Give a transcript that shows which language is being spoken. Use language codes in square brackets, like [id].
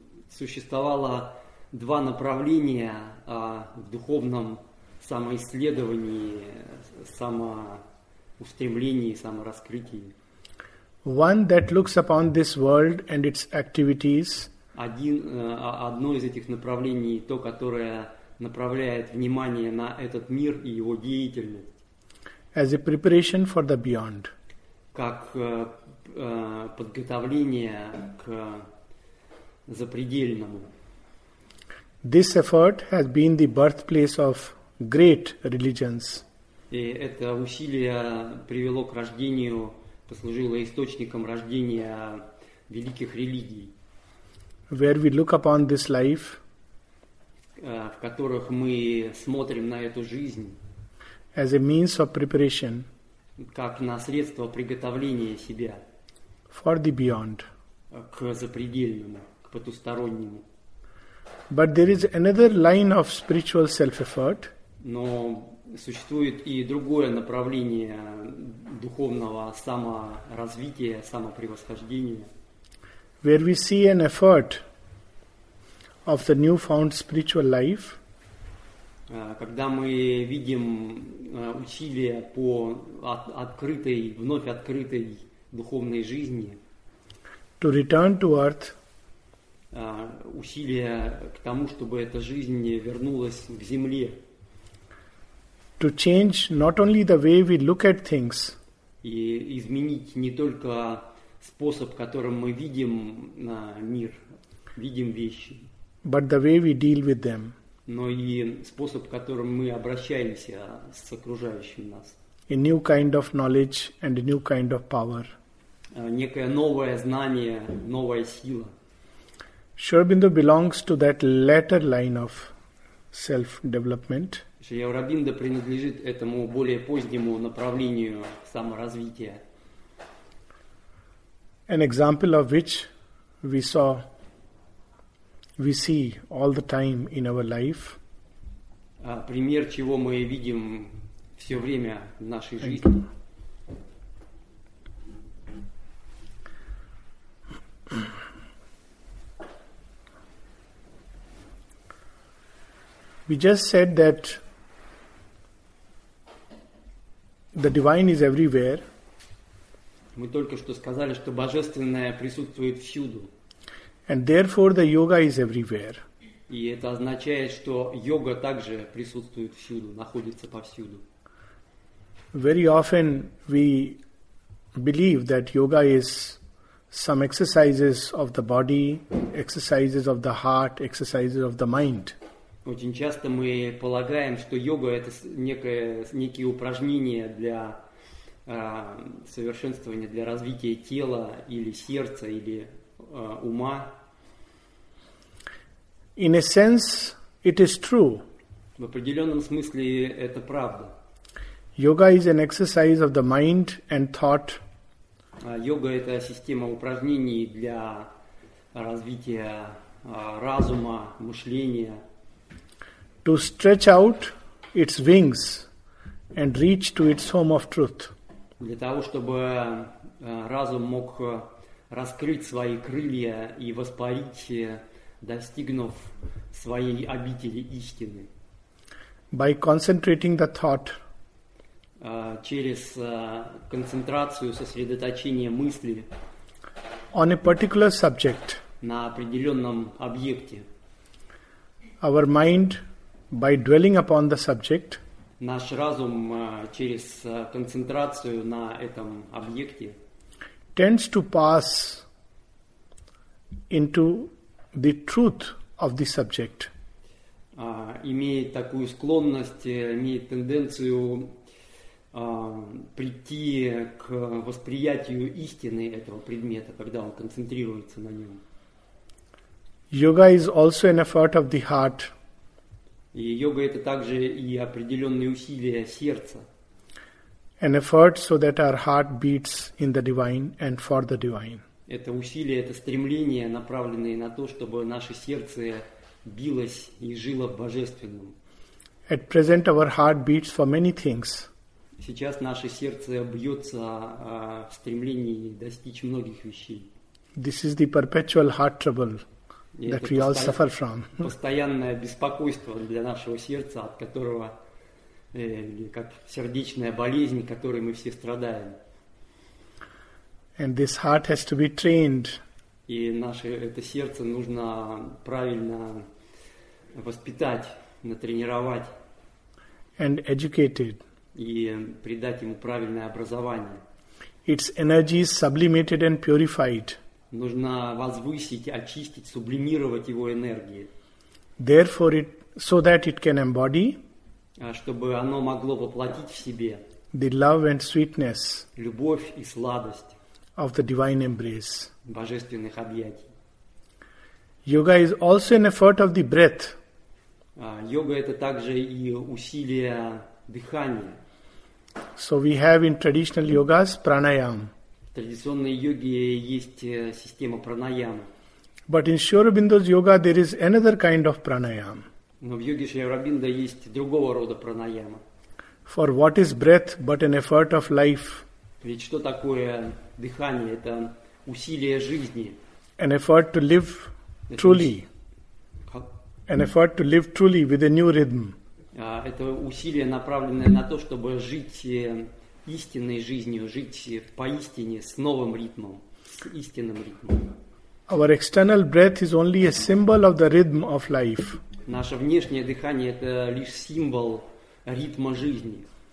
[ru] Существовало два направления в духовном самоисследовании, самоустремлении, самораскрытии. [en] One that looks upon this world and its activities. [ru] Одно из этих направлений, то, которое направляет внимание на этот мир и его деятельность. [en] As a preparation for the beyond. [ru] Как подготовление к запредельному. [en] This effort has been the birthplace of great religions. [ru] И это усилие привело к рождению, послужило источником рождения великих религий. [en] Where we look upon this life. [ru] В которых мы смотрим на эту жизнь. [en] As a means of preparation, [ru] как на средство приготовления себя, [en] for the beyond, [ru] к запредельному, к потустороннему. [en] But there is another line of spiritual self-effort. [ru] Но существует и другое направление духовного саморазвития, самопревосхождения, [en] where we see an effort of the newfound spiritual life. [ru] Когда мы видим усилия по открытой, вновь открытой духовной жизни, [en] to return to earth, [ru] усилия к тому, чтобы эта жизнь вернулась к земле. [en] To change not only the way we look at things. [ru] И изменить не только способ, которым мы видим мир, видим вещи. [en] But the way we deal with them. [ru] Но и способ, которым мы обращаемся с окружающим нас. [en] A new kind of knowledge and a new kind of power. [ru] Некое новое знание, новая сила. [en] Sri Aurobindo belongs to that latter line of self-development. [ru] Sri Aurobindo принадлежит этому более позднему направлению саморазвития. [en] An example of which we see all the time in our life. [ru] Пример чего мы видим все время в нашей жизни. [en] We just said that the divine is everywhere. [ru] Мы только что сказали, что божественное присутствует всюду. [en] And therefore the yoga is everywhere. [ru] И это означает, что йога также присутствует всюду, находится повсюду. [en] Very often we believe that yoga is some exercises of the body, exercises of the heart, exercises of the mind. [ru] Очень часто мы полагаем, что йога – это некие упражнения для совершенствования, для развития тела или сердца, или ума. [en] In a sense, it is true. [ru] В определенном смысле это правда. [en] Yoga is an exercise of the mind and thought. [ru] Йога – это система упражнений для развития разума, мышления. [en] To stretch out its wings and reach to its home of truth. [ru] Для того, чтобы разум мог раскрыть свои крылья и воспарить, достигнув своей обители истины. [en] By concentrating the thought. [ru] Через концентрацию, сосредоточение мысли. [en] On a particular subject. [ru] На определенном объекте. [en] Our mind. By dwelling upon the subject, [ru] наш разум через концентрацию на этом объекте [en] tends to pass into the truth of the subject. [ru] Имеет такую склонность, имеет тенденцию прийти к восприятию истины этого предмета, когда он концентрируется на нем. [en] Yoga is also an effort of the heart. [ru] И йога – это также и определенные усилия сердца. [en] An effort so that our heart beats in the divine and for the divine. [ru] Это усилие, это стремление, направленное на то, чтобы наше сердце билось и жило в божественном. [en] At present our heart beats for many things. [ru] Сейчас наше сердце бьется в стремлении достичь многих вещей. [en] This is the perpetual heart trouble. That we all suffer from. [ru] Постоянное беспокойство для нашего сердца, от которого, как сердечная болезнь, которой мы все страдаем. [en] And this heart has to be trained. [ru] И наше это сердце нужно правильно воспитать, натренировать. [en] And educated. [ru] И придать ему правильное образование. [en] Its energy is sublimated and purified. [ru] Нужно возвысить, очистить, сублимировать его энергии. [en] Therefore it, so that it can embody, [ru] чтобы оно могло воплотить в себе [en] the love and sweetness, [ru] любовь и сладость [en] of the divine embrace, [ru] божественных объятий. [en] Yoga is also an effort of the breath. [ru] Йога это также и усилие дыхания. [en] So we have in traditional yogas pranayam. [ru] В традиционной йоге есть система пранаямы. [en] But in Sri Aurobindo's yoga there is another kind of pranayam. [ru] Но в йоге Sri Aurobindo есть другого рода пранаяма. [en] For what is breath but an effort of life? [ru] Ведь что такое дыхание? Это усилие жизни. [en] An effort to live truly. An effort to live truly with a new rhythm. [ru] Это усилие, направленное на то, чтобы жить истинной жизнью, жить поистине с новым ритмом, с истинным ритмом. [en] Our external breath is only a symbol of the rhythm of life. [ru] Наше внешнее дыхание это лишь символ ритма жизни.